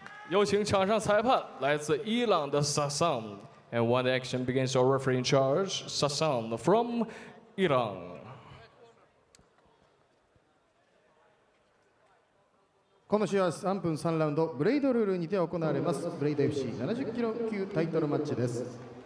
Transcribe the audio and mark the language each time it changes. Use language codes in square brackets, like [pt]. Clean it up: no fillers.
[zh] 有请场上裁判来自伊朗的 Sassan. [en] And when the action begins, our referee in charge, Sassan from Iran. [ja] この試合は3分3ラウンドブレイドルールにて行われますブレイド FC 70キロ級タイトルマッチです